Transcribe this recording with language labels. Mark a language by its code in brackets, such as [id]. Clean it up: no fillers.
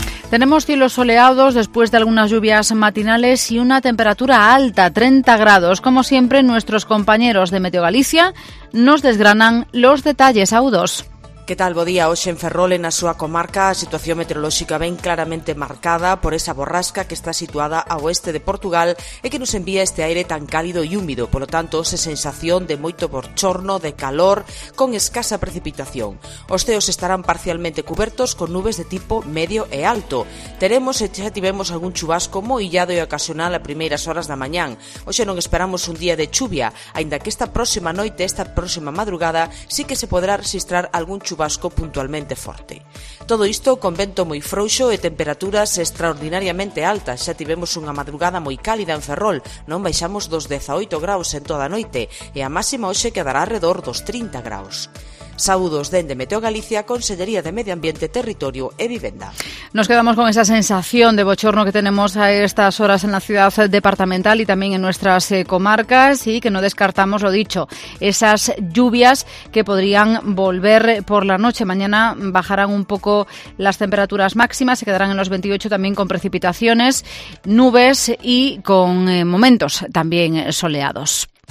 [es] Tenemos cielos soleados después de algunas lluvias matinales y una temperatura alta, 30 grados. Como siempre, nuestros compañeros de Meteo Galicia nos desgranan los detalles agudos. ¿Qué tal, [gl] bo día? Hoxe en Ferrol, na súa comarca, a situación meteorolóxica ben claramente marcada por esa borrasca que está situada ao oeste de Portugal e que nos envía este aire tan cálido e húmido. Polo tanto, hoxe sensación de moito borchorno, de calor, con escasa precipitación. Os ceos estarán parcialmente cubertos con nubes de tipo medio e alto. Teremos e xa tivemos algún chubasco moi illado e ocasional a primeiras horas da mañán. Hoxe non esperamos un día de chuvia, aínda que esta próxima noite, esta próxima madrugada, sí que se poderá registrar algún chubasco puntualmente forte. Todo isto con vento moi frouxo e temperaturas extraordinariamente altas. Xa tivemos unha madrugada moi cálida en Ferrol, non baixamos dos 18 graus en toda a noite e a máxima hoxe quedará arredor dos 30 graus. Saúdos dende Meteo Galicia, Consellería de Medio Ambiente, Territorio e Vivenda. [es] Nos quedamos con esa sensación de bochorno que tenemos a estas horas en la ciudad departamental y también en nuestras comarcas, y que no descartamos, lo dicho, esas lluvias que podrían volver por la noche. Mañana bajarán un poco las temperaturas máximas, se quedarán en los 28 también con precipitaciones, nubes y con momentos también soleados.